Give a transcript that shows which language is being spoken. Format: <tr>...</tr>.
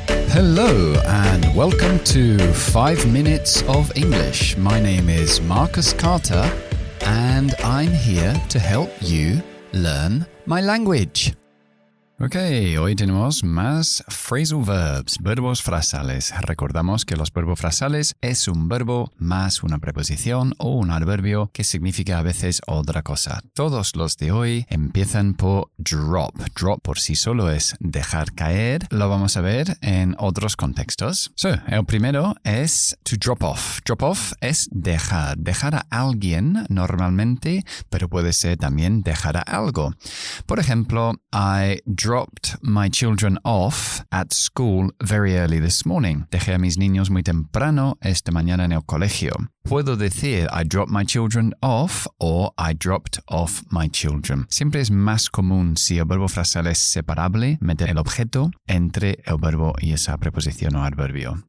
<en>Hello and welcome to 5 Minutes of English. My name is Marcus Carter and I'm here to help you learn my language.</en> <es>Ok, hoy tenemos más phrasal verbs, verbos frasales. Recordamos que los verbos frasales es un verbo más una preposición o un adverbio que significa a veces otra cosa. Todos los de hoy empiezan por drop. Drop por sí solo es dejar caer. Lo vamos a ver en otros contextos. So, el primero es to drop off. Drop off es dejar. Dejar a alguien normalmente, pero puede ser también dejar a algo. Por ejemplo,</es> <en>I dropped my children off at school very early this morning.</en> <es>Dejé a mis niños muy temprano esta mañana en el colegio. Puedo decir</es> <en>I dropped my children off or I dropped off my children.</en> <es>Siempre es más común si el verbo frasal es separable, meter el objeto entre el verbo y esa preposición o adverbio.</es>